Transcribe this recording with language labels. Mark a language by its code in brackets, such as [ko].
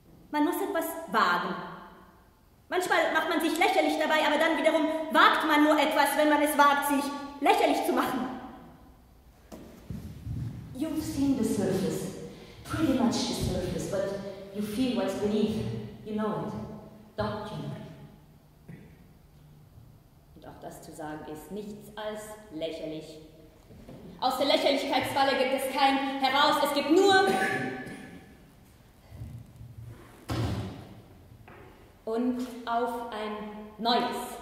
[de] Man muss etwas wagen. Manchmal macht man sich lächerlich dabei, aber dann wiederum wagt man nur etwas, wenn man es wagt, sich lächerlich zu machen. [en] You've seen the surface, pretty much the surface, but you feel what's beneath. You know it, don't you? [de] Und auch das zu sagen ist nichts als lächerlich. Aus der Lächerlichkeitsfalle gibt es kein Heraus, es gibt nur... Und auf ein neues.